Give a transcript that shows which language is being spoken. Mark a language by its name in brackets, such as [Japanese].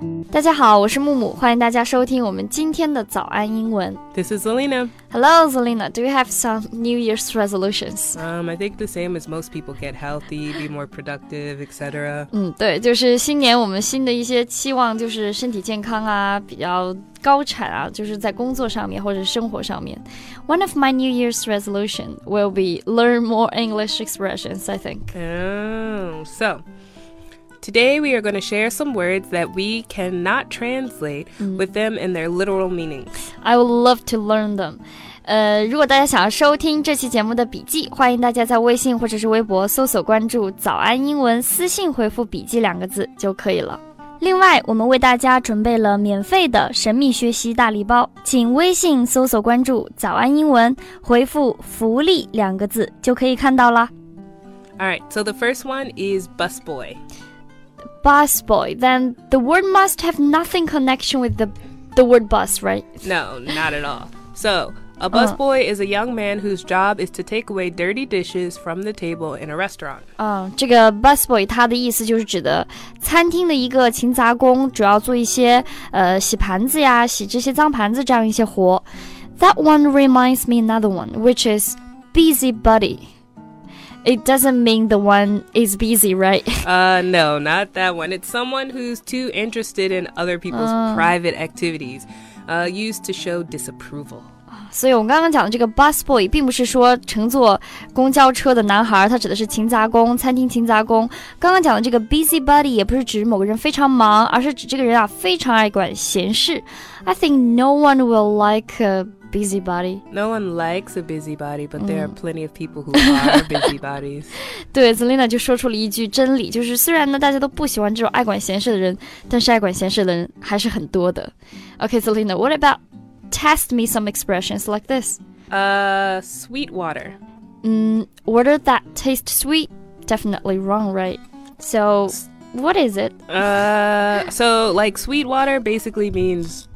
[Chinese] 大家好，我是木木，欢迎大家收听我们今天的早安英文。 [English] This is Zelina. Hello, Zelina. Do you have some New Year's resolutions? I think the same as most people: get healthy, be more productive, etc. [Chinese] 对，就是新年我们新的一些期望，就是身体健康啊，比较高产啊，就是在工作上面或者生活上面。 [English] One of my New Year's resolutions will be learn more English expressions, I think. Oh, so. Today we are going to share some words that we cannot translate with them in their literal meanings. I would love to learn them. [Chinese] 如果大家想要收听这期节目的笔记，欢迎大家在微信或者是微博搜索关注早安英文，私信回复笔记两个字就可以了。另外，我们为大家准备了免费的神秘学习大礼包，请微信搜索关注早安英文，回复福利两个字就可以看到了。 [English] All right, so the first one is busboy. Bus boy, then the word must have nothing connection with the word bus, right? No, not at all. So, a bus boy is a young man whose job is to take away dirty dishes from the table in a restaurant. [Chinese] 这个 bus boy 他的意思就是指的餐厅的一个勤杂工，主要做一些洗盘子呀，洗这些脏盘子这样一些活。 [English] That one reminds me another one, which is busybody. It doesn't mean the one is busy, right? No, not that one. It's someone who's too interested in other people's private activities, used to show disapproval. [Chinese] 所以我们刚刚讲的这个 busboy 并不是说乘坐公交车的男孩，他指的是勤杂工，餐厅勤杂工。刚刚讲的这个 busybody 也不是指某个人非常忙，而是指这个人啊非常爱管闲事。 [English] I think no one will like a busybody. No one likes a busybody, but there are plenty of people who are busybodies. [Chinese] 对 ,Zelina 就说出了一句真理，就是虽然呢大家都不喜欢这种爱管闲事的人，但是爱管闲事的人还是很多的。 [English] Okay, Zelina, what about test me some expressions like this? Sweet water. Water that tastes sweet? Definitely wrong, right? So, what is it? So, like, sweet water basically means...